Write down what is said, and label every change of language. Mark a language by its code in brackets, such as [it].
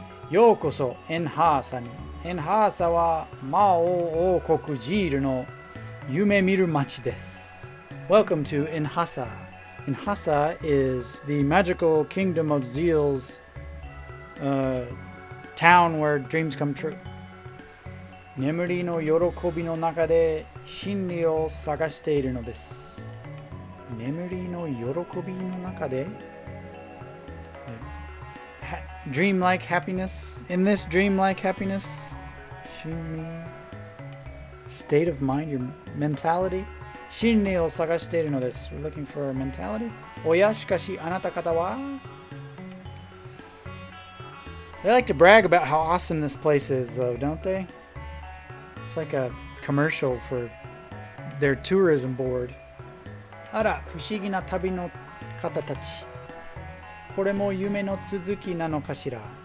[ja] ようこそエンハーサに。エンハーサは魔王王国ジールの夢見る街です。 [en] Welcome to エンハーサ。エンハーサ is the magical kingdom of Zeal's town where dreams come true. [ja] 眠りの喜びの中で真理を探しているのです。眠りの喜びの中で [en] Dreamlike happiness. In this dreamlike happiness. State of mind. Your mentality. [ja] 真理を探しているのです。 [en] We're looking for our mentality. [ja] おやしかしあなた方は [en] They like to brag about how awesome this place is though, don't they? It's like a commercial for their tourism board. [ja] あら、不思議な旅の方たち。これも夢の続きなのかしら。